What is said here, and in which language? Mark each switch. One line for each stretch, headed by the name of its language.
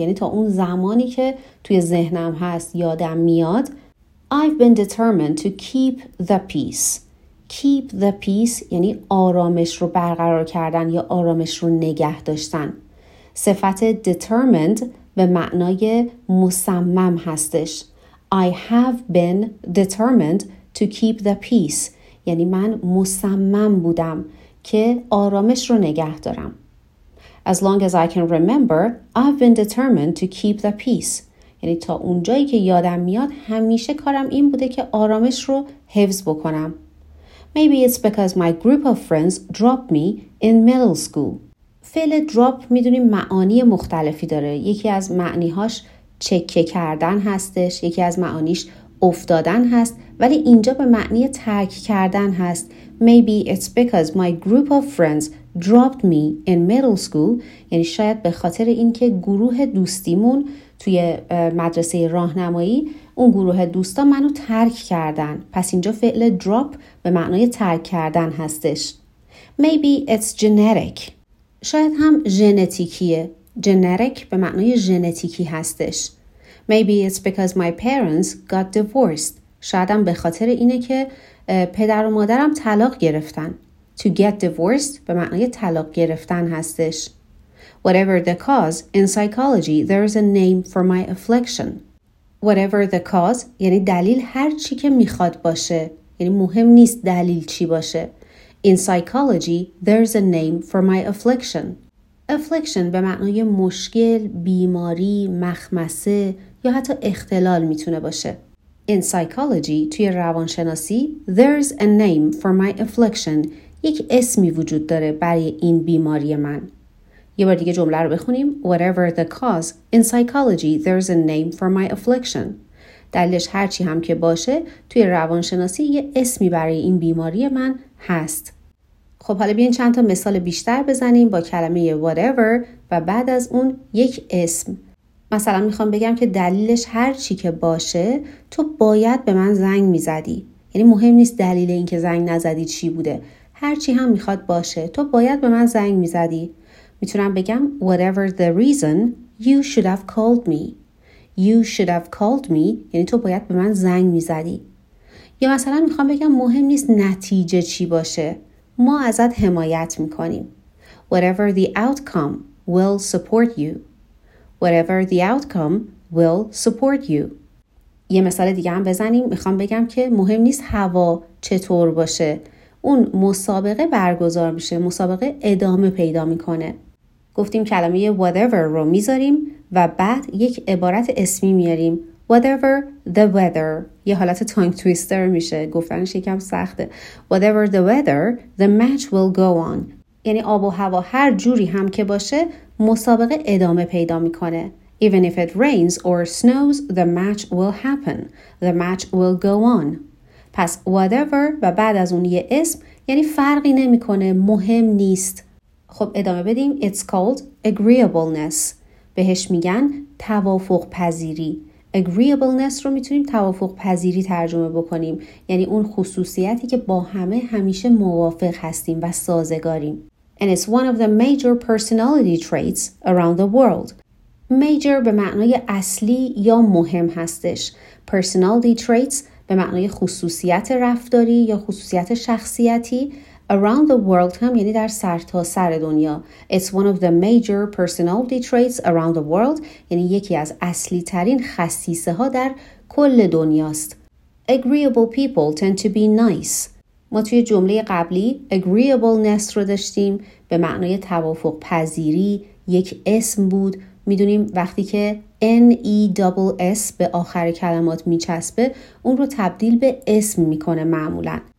Persian: یعنی تا اون زمانی که توی ذهنم هست یادم میاد.
English: I've been determined to keep the peace. Keep the peace
Persian: یعنی آرامش رو برقرار کردن یا آرامش رو نگه داشتن. صفت determined به معنای مصمم هستش.
English: I have been determined to keep the peace.
Persian: یعنی من مصمم بودم که آرامش رو نگه دارم.
English: As long as I can remember, I've been determined to keep the peace.
Persian: یعنی تا اونجایی که یادم میاد همیشه کارم این بوده که آرامش رو حفظ بکنم.
English: Maybe it's because my group of friends dropped me in middle school.
Persian: فعل drop میدونیم معانی مختلفی داره. یکی از معانیهاش چکه کردن هستش. یکی از معانیش افتادن هست. ولی اینجا به معنی ترک کردن هست.
English: Maybe it's because my group of friends dropped me in middle school.
Persian: یعنی شاید به خاطر اینکه گروه دوستیمون توی مدرسه راهنمایی اون گروه دوستان منو ترک کردن. پس اینجا فعل drop به معنی ترک کردن هستش.
English: Maybe it's genetic.
Persian: شاید هم ژنتیکیه. Generic به معنی ژنتیکی هستش.
English: Maybe it's because my parents got divorced.
Persian: شاید هم به خاطر اینه که پدر و مادرم طلاق گرفتن.
English: To get divorced
Persian: به معنی طلاق گرفتن هستش.
English: Whatever the cause, in psychology there is a name for my affliction. Whatever the cause
Persian: یعنی دلیل هر چی که میخواد باشه. یعنی مهم نیست دلیل چی باشه.
English: In psychology, there's a name for my affliction.
Persian: Affliction به معنی مشکل، بیماری، مخمصه یا حتی اختلال میتونه باشه.
English: In psychology,
Persian: توی روانشناسی,
English: there's a name for my affliction.
Persian: یک اسمی وجود داره برای این بیماری من. یه بار دیگه جمله رو بخونیم.
English: Whatever the cause, in psychology, there's a name for my affliction.
Persian: دلیلش هرچی هم که باشه، توی روانشناسی یه اسمی برای این بیماری من هست. خب حالا بیاین چند تا مثال بیشتر بزنیم با کلمه whatever و بعد از اون یک اسم. مثلا میخوام بگم که دلیلش هر چی که باشه تو باید به من زنگ میزدی. یعنی مهم نیست دلیل این که زنگ نزدی چی بوده. هر چی هم میخواد باشه تو باید به من زنگ میزدی. میتونم بگم
English: whatever the reason you should have called me. You should have called me
Persian: یعنی تو باید به من زنگ میزدی. یا مثلا میخوام بگم مهم نیست نتیجه چی باشه. ما ازت حمایت میکنیم.
English: Whatever the outcome will support you. Whatever the outcome will support you.
Persian: یه مثال دیگه هم بزنیم. میخوام بگم که مهم نیست هوا چطور باشه. اون مسابقه برگزار میشه. مسابقه ادامه پیدا میکنه. گفتیم کلمه whatever رو میذاریم و بعد یک عبارت اسمی میاریم.
English: Whatever the weather.
Persian: یه حالت تانگ تویستر میشه. گفتنش یکم سخته.
English: Whatever the weather, the match will go on.
Persian: یعنی آب و هوا هر جوری هم که باشه مسابقه ادامه پیدا میکنه.
English: Even if it rains or snows, the match will happen. The match will go on.
Persian: پس whatever و بعد از اون یه اسم یعنی فرقی نمیکنه، مهم نیست. خب ادامه بدیم.
English: It's called agreeableness.
Persian: بهش میگن توافق پذیری. Agreeableness رو میتونیم توافق پذیری ترجمه بکنیم. یعنی اون خصوصیتی که با همه همیشه موافق هستیم و سازگاریم.
English: And it's one of the major personality traits around the world.
Persian: Major به معنای اصلی یا مهم هستش.
English: Personality traits
Persian: به معنای خصوصیت رفتاری یا خصوصیت شخصیتی.
English: Around the world
Persian: هم یعنی در سرتاسر دنیا.
English: It's one of the major personality traits around the world.
Persian: یعنی یکی از اصلی ترین خصیصه ها در کل دنیاست.
English: Agreeable people tend to be nice.
Persian: ما توی جمله قبلی agreeableness رو داشتیم. به معنای توافق پذیری یک اسم بود. میدونیم وقتی که NESS به آخر کلمات میچسبه اون رو تبدیل به اسم میکنه معمولا.